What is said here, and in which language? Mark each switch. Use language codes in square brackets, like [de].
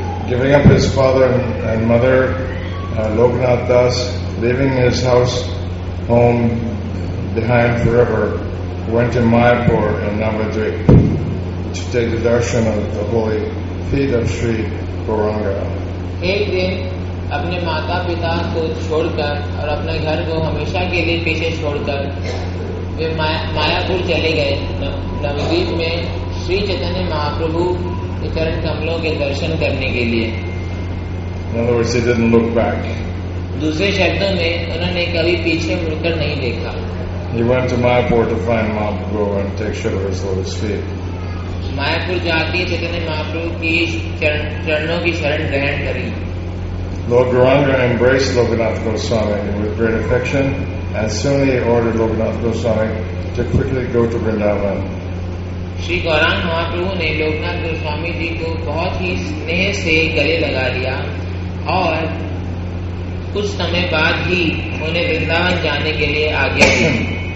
[en] Giving up his father and mother, Lokanath Das, leaving his house home behind forever, went to Mayapur and Navadvip to take the darshan of the holy feet of Sri Gauranga. [hi] एक दिन अपने माता पिता को छोड़कर और अपने घर को हमेशा के लिए पीछे छोड़कर वे मायापुर चले गए नवद्वीप में श्री चैतन्य महाप्रभु चरण कमलों के दर्शन करने के लिए। [en] In other words, he didn't look back. [hi] दूसरे शब्दों में उन्होंने कभी पीछे मुड़कर नहीं देखा। [en] He went to Mayapur to find Mahaprabhu and take shelter at his lotus feet. [hi] Mayapur जाके चैतन्य महाप्रभु की चरणों की शरण ग्रहण करी। [en] Lord Gauranga embraced Lokanath Goswami with great affection and soon he ordered Lokanath Goswami to quickly go to Vrindavan. [hi] Shri Gaurang महाप्रभु ने लोकनाथ गोस्वामी जी को बहुत ही स्नेह से गले लगा लिया और कुछ समय बाद ही उन्हें वृंदावन जाने के लिए आज्ञा दी।